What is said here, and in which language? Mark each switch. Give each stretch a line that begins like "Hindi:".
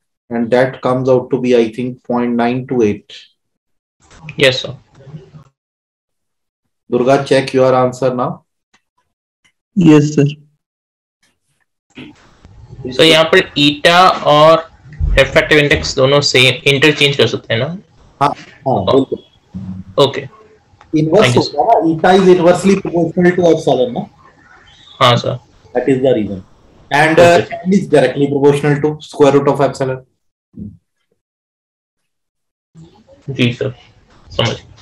English: And that comes out to be, I think, 0.928. Yes, sir. Durga, check your answer now. Yes, sir.
Hindi: So, यहाँ पर eta और refractive index दोनों same interchange कर सकते हैं ना? हाँ, बिल्कुल. Okay.
English: Inverse होगा, eta is inversely proportional to epsilon ना?
Hindi: हाँ, sir.
English: That is the reason. And n is directly proportional to square root of epsilon.
Hindi: Ji sir, समझ.